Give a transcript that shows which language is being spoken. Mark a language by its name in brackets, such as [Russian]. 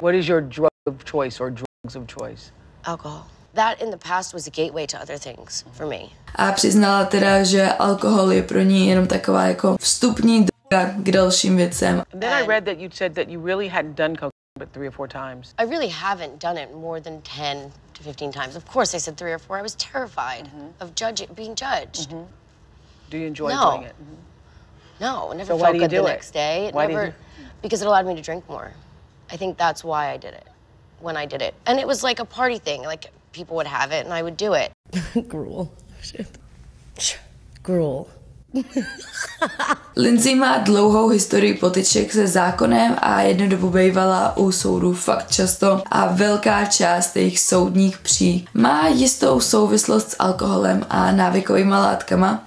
[English] What is your drug of choice or drugs of choice? Alcohol. That in the past was a gateway to other things for me. [Czech] A přiznala teda, že alkohol je pro ní jenom taková jako vstupní droga k dalším věcem. [English] And then I read that you said that you really hadn't done cocaine but 3 or 4 times. I really haven't done it more than 10 to 15 times. Of course I said 3 or 4. I was terrified of being judged. Mm-hmm. Do you enjoy doing it? No, I never felt good the next day. Because it allowed me to drink more. I think that's why I did it, when I did it. And it was like a party thing, like people would have it and I would do it. Gruel. Shit. Gruel. [Czech] Lindsay má dlouhou historii potyček se zákonem a jednu dobu bývala u soudu fakt často a velká část jejich soudních pří má jistou souvislost s alkoholem a návykovýma látkama.